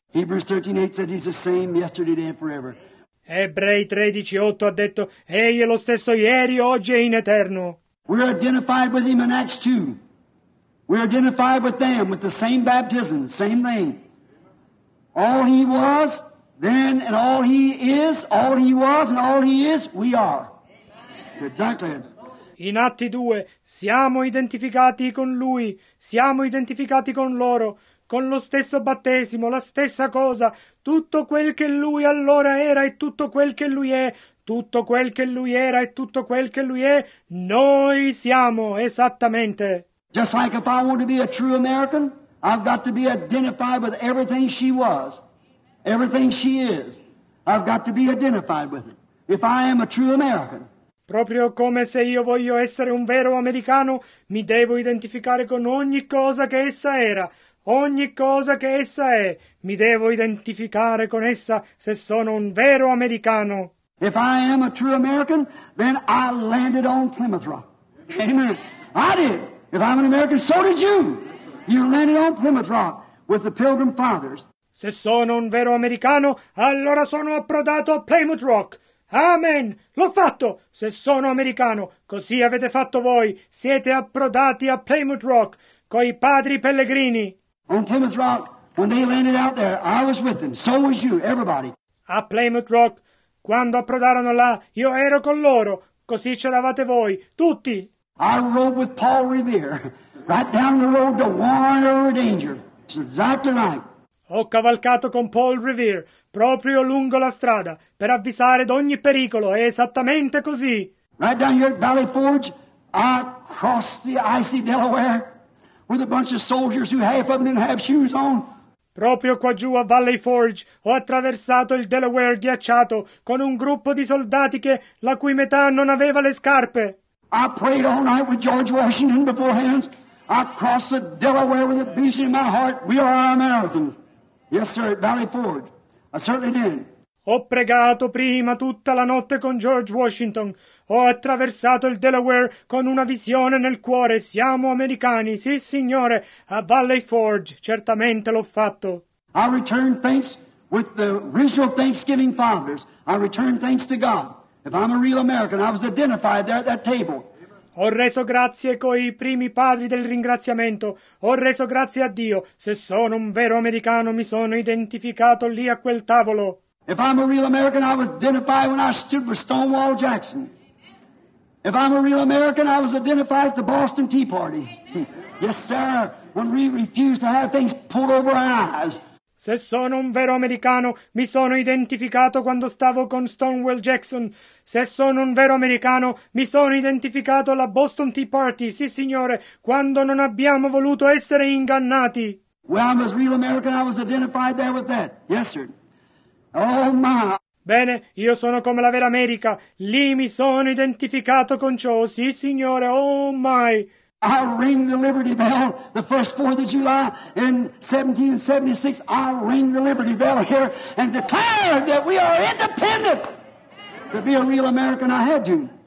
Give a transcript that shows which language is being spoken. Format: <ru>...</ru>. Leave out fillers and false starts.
<en>Hebrews 13:8 said he's the same yesterday and forever.</en> <it>Ebrei 13:8 ha detto, egli è lo stesso ieri, oggi e in eterno.</it> <en>We're identified with him in Acts 2. We are identified with them with the same baptism, same thing. All He was then and all He is, all He was and all He is, we are. Exactly.</en> <it>In Atti 2 siamo identificati con Lui, siamo identificati con loro, con lo stesso battesimo, la stessa cosa, tutto quel che Lui allora era e tutto quel che Lui è, tutto quel che Lui era e tutto quel che Lui è, noi siamo esattamente.</it> <en>Just like if I want to be a true American, I've got to be identified with everything she was, everything she is. I've got to be identified with it. If I am a true American.</en> <it>Proprio come se io voglio essere un vero americano, mi devo identificare con ogni cosa che essa era, ogni cosa che essa è. Mi devo identificare con essa se sono un vero americano.</it> <en>If I am a true American, then I landed on Plymouth Rock. Amen. I did. If I'm an American, so did you. You landed on Plymouth Rock with the Pilgrim Fathers.</en> <it>Se sono un vero americano, allora sono approdato a Plymouth Rock. Amen! L'ho fatto! Se sono americano, così avete fatto voi. Siete approdati a Plymouth Rock, coi padri pellegrini.</it> <en>On Plymouth Rock, when they landed out there, I was with them. So was you, everybody.</en> <it>A Plymouth Rock, quando approdarono là, io ero con loro. Così c'eravate voi, tutti.</it> <en>I rode with Paul Revere, right down the road to warn over danger. It's exactly right.</en> <it>Ho cavalcato con Paul Revere, proprio lungo la strada, per avvisare d'ogni pericolo. È esattamente così.</it> <en>Right down here at Valley Forge, I crossed the icy Delaware with a bunch of soldiers who half of them didn't have shoes on.</en> <it>Proprio qua giù a Valley Forge ho attraversato il Delaware ghiacciato con un gruppo di soldati che la cui metà non aveva le scarpe.</it> <en>I prayed all night with George Washington beforehand. I crossed the Delaware with a beast in my heart. We are Americans. Yes, sir, at Valley Forge. I certainly did.</en> <it>Ho pregato prima tutta la notte con George Washington. Ho attraversato il Delaware con una visione nel cuore. Siamo americani, sì signore, a Valley Forge. Certamente l'ho fatto.</it> <en>I returned thanks with the original Thanksgiving Fathers. I returned thanks to God. If I'm a real American, I was identified there at that table.</en> <it>Ho reso grazie coi primi padri del ringraziamento. Ho reso grazie a Dio. Se sono un vero americano, mi sono identificato lì a quel tavolo.</it> <en>If I'm a real American, I was identified when I stood with Stonewall Jackson. If I'm a real American, I was identified at the Boston Tea Party. Yes, sir, when we refused to have things pulled over our eyes.</en> <it>Se sono un vero americano, mi sono identificato quando stavo con Stonewall Jackson. Se sono un vero americano, mi sono identificato alla Boston Tea Party, sì signore, quando non abbiamo voluto essere ingannati.</it> <en>Well, I'm a real American, I was identified there with that. Yes, sir. Oh, my.</en> <it>Bene, io sono come la vera America. Lì mi sono identificato con ciò, sì signore,</it> <en>oh my. I rang the Liberty Bell the first 4th of July in 1776. I rang the Liberty Bell here and declared that we are independent. To be a real American, I had to.</en>